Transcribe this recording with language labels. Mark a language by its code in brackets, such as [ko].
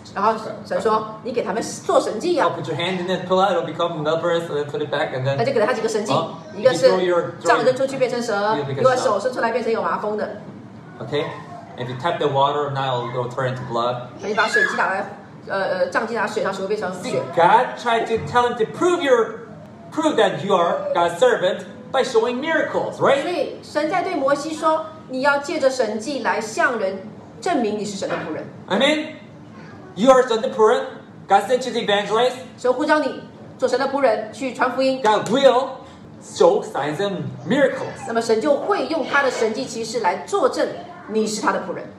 [zh] 然后神说，你给他们做神迹呀。 [en] Put your hand in it, pull out, it'll become leprous, and then put it back, and then. [zh] 那就给了他几个神迹，一个是杖扔出去变成蛇，一个手伸出来变成有麻风的。 [en] Okay, if you tap the water, now it'll turn into blood. [zh] 你把水挤打来。杖击打水上时候变成血。 [en] See, God tried to tell him to prove that you are God's servant by showing miracles, right? [zh] 所以神在对摩西说，你要借着神迹来向人证明你是神的仆人。 [en] I mean, you are the仆人.God sent you to evangelize. [zh] 神呼召你做神的仆人去传福音。 [en] God will show signs and miracles. [zh] 那么神就会用他的神迹奇事来作证你是他的仆人。